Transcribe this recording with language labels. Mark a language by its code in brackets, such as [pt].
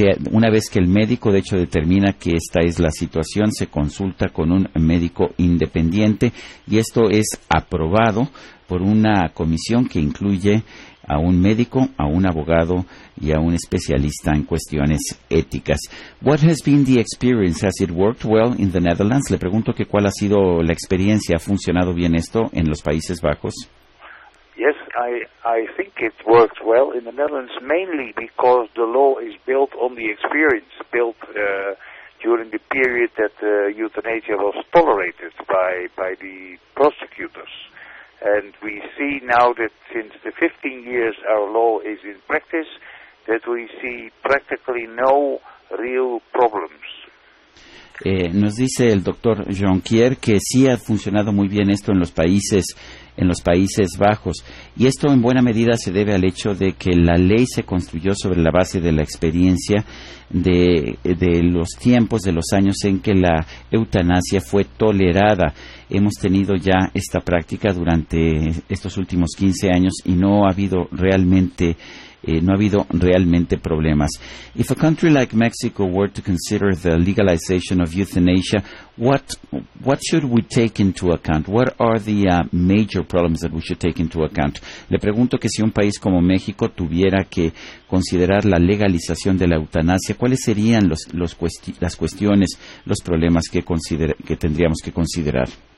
[es] Una vez que el médico, de hecho, determina que esta es la situación, se consulta con un médico independiente y esto es aprobado por una comisión que incluye a un médico, a un abogado y a un especialista en cuestiones éticas. [en] What has been the experience? Has it worked well in the Netherlands? [es] Le pregunto que cuál ha sido la experiencia. ¿Ha funcionado bien esto en los Países Bajos? [en] Yes, I think it worked well in the Netherlands, mainly because the law is built on the experience, built during the period that euthanasia was tolerated by the prosecutors. And we see now that since the 15 years our law is in practice, that we see practically no real problems. [es] Nos dice el doctor Jonquiere que sí ha funcionado muy bien esto en los Países Bajos. Y esto en buena medida se debe al hecho de que la ley se construyó sobre la base de la experiencia de los tiempos, de los años en que la eutanasia fue tolerada. Hemos tenido ya esta práctica durante estos últimos 15 años y no ha habido realmente problemas. [en] If a country like Mexico were to consider the legalization of euthanasia, what should we take into account? What are the major problems that we should take into account? [es] Le pregunto que si un país como México tuviera que considerar la legalización de la eutanasia, ¿cuáles serían los problemas que tendríamos que considerar?